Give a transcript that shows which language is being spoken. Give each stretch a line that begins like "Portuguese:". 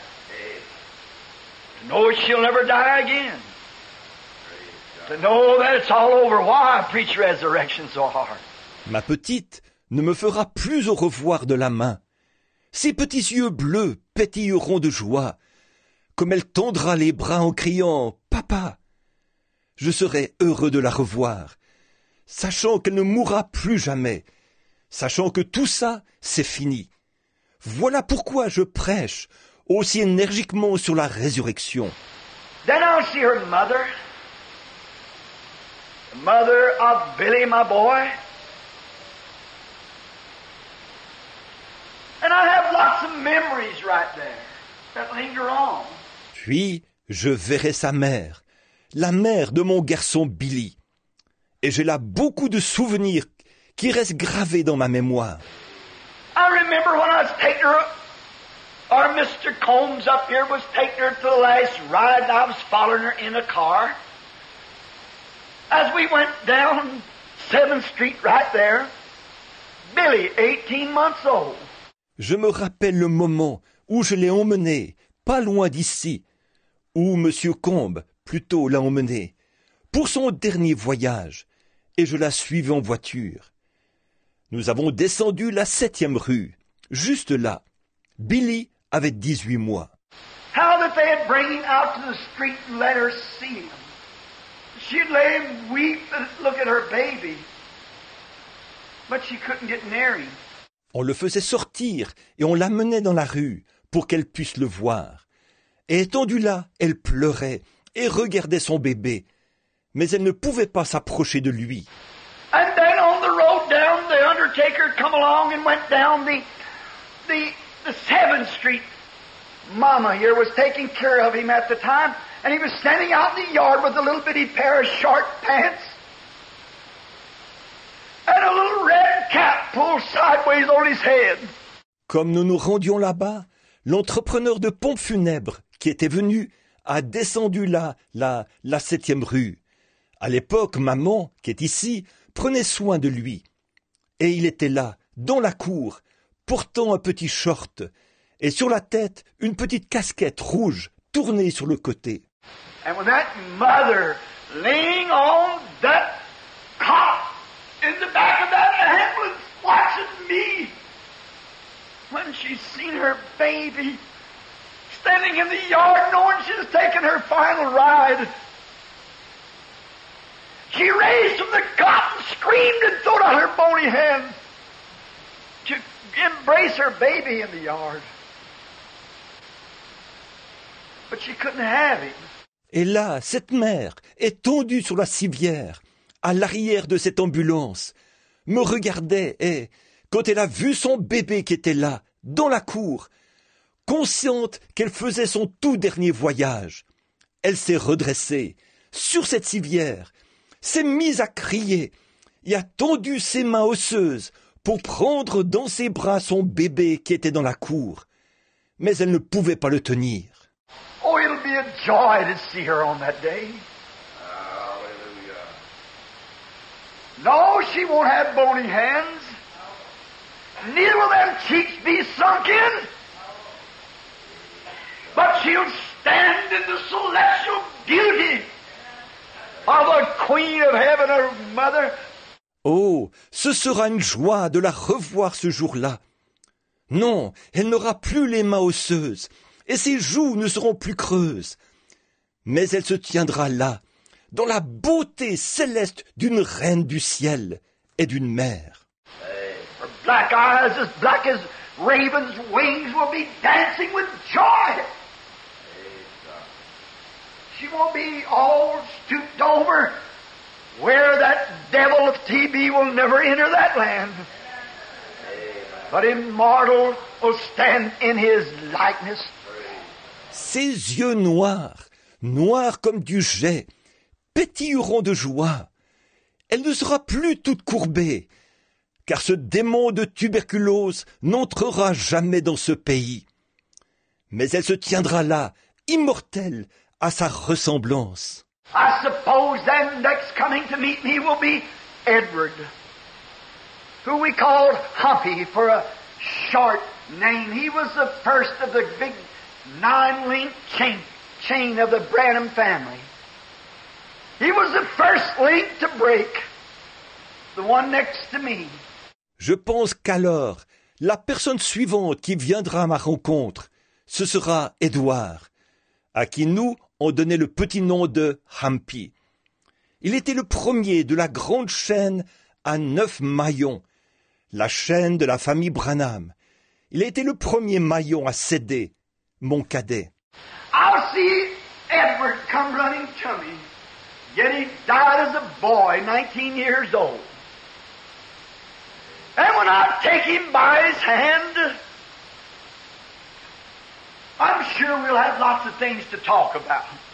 English: Hey. To know she'll never die again. To know that it's all over. Why preach resurrection so hard?
French: Ma petite ne me fera plus au revoir de la main. Ses petits yeux bleus pétilleront de joie. Comme elle tendra les bras en criant « Papa !» Je serai heureux de la revoir, sachant qu'elle ne mourra plus jamais, sachant que tout ça, c'est fini. Voilà pourquoi je prêche aussi énergiquement sur la résurrection.
English: Then I'll see her mother, the mother of Billy, my boy. And I have lots of memories right there that linger on.
French: Puis je verrai sa mère, la mère de mon garçon Billy. Et j'ai là beaucoup de souvenirs qui restent gravés dans ma mémoire.
English: I remember when I was taking her, or Mr. Combs up here was taking her to the last ride, and I was following her in a car. As we went down 7th Street right there, Billy, 18 months old.
French: Je me rappelle le moment où je l'ai emmené, pas loin d'ici, où M. Combe, plutôt, l'a emmené pour son dernier voyage, et je la suivais en voiture. Nous avons descendu la 7e rue, juste là. Billy avait 18 mois.
English: How that they had bring him out to the street and let her see him. She'd lay him weep and look at her baby. But she couldn't get near him.
French: On le faisait sortir et on l'amenait dans la rue pour qu'elle puisse le voir. Et étendue là, elle pleurait et regardait son bébé, mais elle ne pouvait pas s'approcher de lui.
English: And then on the road down, the undertaker come along and went down the 7th Street. Mama here was taking care of him at the time, and he was standing out in the yard with a little bitty pair of short pants. And a little red cap pulled sideways on his head.
French: Comme nous nous rendions là-bas, l'entrepreneur de pompes funèbres qui était venu a descendu là, la 7e rue. À l'époque, maman, qui est ici, prenait soin de lui. Et il était là, dans la cour, portant un petit short et sur la tête, une petite casquette rouge tournée sur le côté.
English: And when that mother leaning on that cop in the back of that ambulance watching me, when she seen her baby standing in the yard knowing she's taken her final ride, she raised from the cot and screamed and threw out her bony hand to embrace her baby in the yard. But she couldn't have him.
French: Et là, cette mère est tendue sur la civière à l'arrière de cette ambulance, me regardait et, quand elle a vu son bébé qui était là, dans la cour, consciente qu'elle faisait son tout dernier voyage, elle s'est redressée sur cette civière, s'est mise à crier et a tendu ses mains osseuses pour prendre dans ses bras son bébé qui était dans la cour. Mais elle ne pouvait pas le tenir.
English: Oh, it'll be a joy to see her on that day. No, she won't have bony hands. Neither will them cheeks be sunken. But she'll stand in the celestial beauty of the Queen of Heaven, her mother.
French: Oh, ce sera une joie de la revoir ce jour-là. Non, elle n'aura plus les mains osseuses et ses joues ne seront plus creuses. Mais elle se tiendra là, dans la beauté céleste d'une reine du ciel et d'une mère.
English: Hey, her black eyes, as black as raven's wings, will be dancing with joy. Hey, she won't be all stooped over where that devil of TB will never enter that land. Hey, but immortal will stand in his likeness.
French: Ses yeux noirs, noirs comme du jais, pétilleront de joie. Elle ne sera plus toute courbée, car ce démon de tuberculose n'entrera jamais dans ce pays. mais elle se tiendra là, immortelle, à sa ressemblance.
English: I suppose then next coming to meet me will be Edward, who we called Humpy for a short name. He was the first of the big nine-link chain of the Branham family. He was the first link to break, the one next to me.
French: Je pense qu'alors, la personne suivante qui viendra à ma rencontre, ce sera Edward, à qui nous on donnait le petit nom de Humpy. Il était le premier de la grande chaîne à neuf maillons, la chaîne de la famille Branham. Il était le premier maillon à céder, mon cadet.
English: I'll see Edward come running to me, yet he died as a boy, 19 years old. And when I take him by his hand, I'm sure we'll have lots of things to talk about.